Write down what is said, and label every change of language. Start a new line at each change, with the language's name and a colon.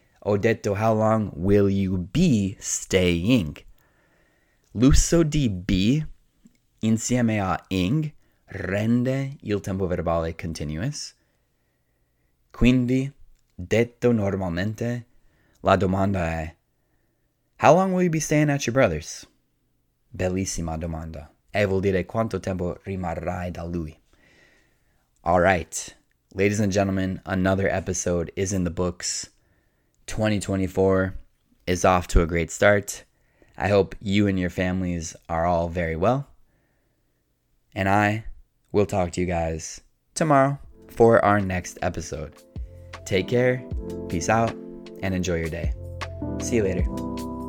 Italian: Ho detto
English: how long will you be staying.
Italian: L'uso di be insieme a ing rende il tempo verbale continuous. Quindi, detto normalmente, la domanda è
English: how long will you be staying at your brother's?
Italian: Bellissima domanda. E vuol dire quanto tempo rimarrai da lui.
English: All right. Ladies and gentlemen, another episode is in the books. 2024 is off to a great start. I hope you and your families are all very well. And I will talk to you guys tomorrow for our next episode. Take care, peace out, and enjoy your day. See you later.